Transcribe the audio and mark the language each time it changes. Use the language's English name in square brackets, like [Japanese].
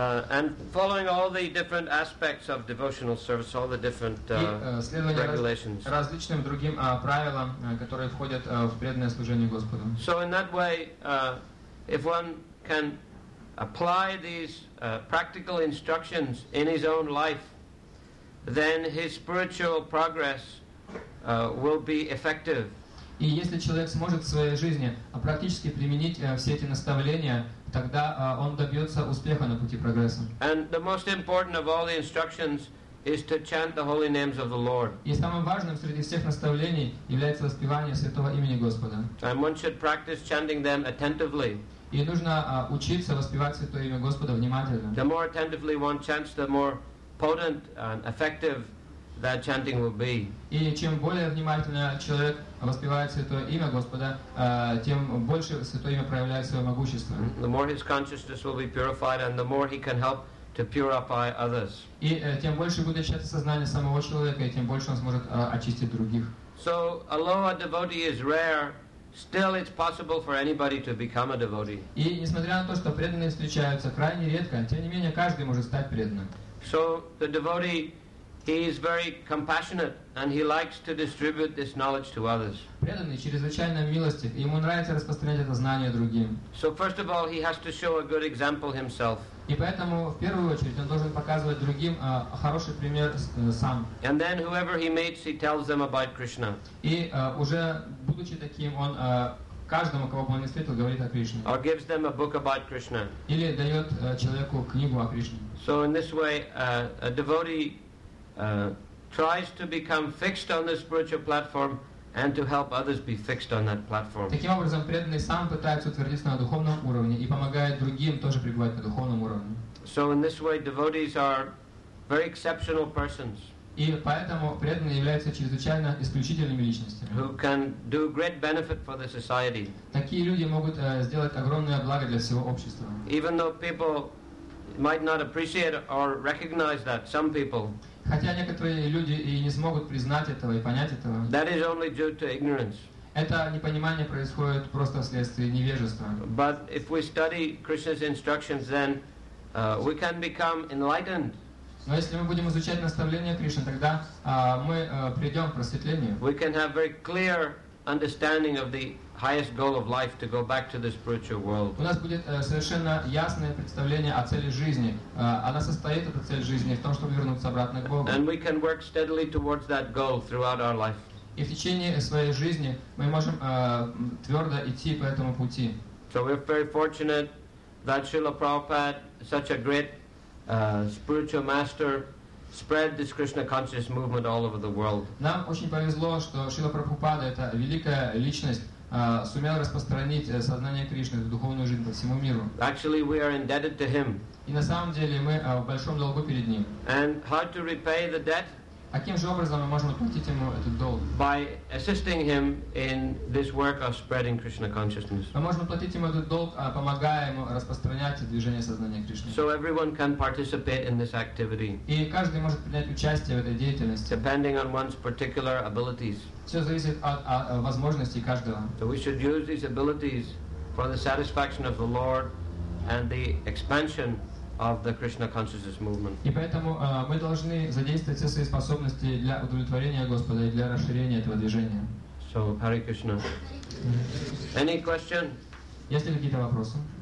[English] And following all the different aspects of devotional service, all the different regulations. [Russian] Различным другим правилам, которые входят в преданное служение Господу. [English] So in that way, if one can apply these practical instructions in his own life, then his spiritual progress will be effective. [Russian] И если человек сможет в своей жизни практически применить все эти наставления, тогда он добьется успеха на пути прогресса. [English] And the most important of all the instructions is to chant the holy names of the Lord. [Russian] И самым важным среди всех наставлений является воспевание святого имени Господа. [English] And one should practice chanting them attentively. [Russian] И нужно учиться воспевать святое имя Господа внимательно. [English] The more attentively one chants, the more potent and effective that chanting will be. [Russian] И чем более внимательно человек воспевает святое имя Господа, тем больше святое имя проявляет свое могущество. [English] The more his consciousness will be purified, and the more he can help to purify others. [Russian] И тем больше будет очищаться сознание самого человека, и тем больше он сможет очистить других. [English] So, although a devotee is rare, still it's possible for anybody to become a devotee. [Russian] И несмотря на то, что преданные встречаются крайне редко, тем не менее каждый может стать преданным. [English] So the devotee, he is very compassionate and he likes to distribute this knowledge to others. [Russian] Преданный чрезвычайно милостив, ему нравится распространять это знание другим. [English] So first of all, he has to show a good example himself. [Russian] И поэтому в первую очередь он должен показывать другим хороший пример сам. [English] And then whoever he meets, he tells them about Krishna. [Russian] И уже будучи таким, он каждому, кого бы он встретил, говорит о Кришне. [English] Or gives them a book about Krishna. [Russian] Или дает человеку книгу о Кришне. [English] So in this way, a devotee tries to become fixed on the spiritual platform and to help others be fixed on that platform. [Russian] Таким образом, преданный сам пытается утвердиться на духовном уровне и помогает другим тоже пребывать на духовном уровне. [English] So in this way, devotees are very exceptional persons. [Russian] И поэтому преданные являются чрезвычайно исключительными личностями. [English] Who can do great benefit for the society. [Russian] Такие люди могут сделать огромное благо для всего общества. [English] Even though people might not appreciate or recognize that, some people. [Russian] Хотя некоторые люди и не смогут признать этого и понять этого. [English] That is only due to ignorance. [Russian] Это непонимание происходит просто вследствие невежества. [English] But if we study Krishna's instructions, then we can become enlightened. [Russian] Но если мы будем изучать наставления Кришны, тогда мы придем к просветлению. [English] We can have very clear understanding of the highest goal of life to go back to the spiritual world. [Russian] У нас будет совершенно ясное представление о цели жизни. Она состоит, эта цель жизни, в том, чтобы вернуться обратно к Богу. [English] And we can work steadily towards that goal throughout our life. [Russian] И в течение своей жизни мы можем твердо идти по этому пути. [English] So we're very fortunate that Srila Prabhupada, such a great spiritual master, spread this Krishna consciousness movement all over the world. [Russian] Нам очень повезло, что Шрила Прабхупада, эта великая личность, сумел распространить сознание Кришны, духовную жизнь по всему миру. [English] Actually, we are indebted to him. [Russian] И на самом деле мы в большом долгу перед ним. [English] And how to repay the debt? [Russian] Каким же образом мы можем оплатить ему этот долг? [English] By assisting him in this work of spreading Krishna consciousness. [Russian] Мы можем оплатить ему этот долг, помогая ему распространять движение сознания Кришны. [English] So everyone can participate in this activity. [Russian] И каждый может принять участие в этой деятельности. [English] Depending on one's particular abilities. [Russian] Все зависит от возможностей каждого. [English] So we should use these abilities for the satisfaction of the Lord and the expansion of the Krishna consciousness movement. [Russian] И поэтому мы должны задействовать все свои способности для удовлетворения Господа и для расширения этого движения. [English] So, Hare Krishna. Any question? [Russian] Есть ли какие-то вопросы?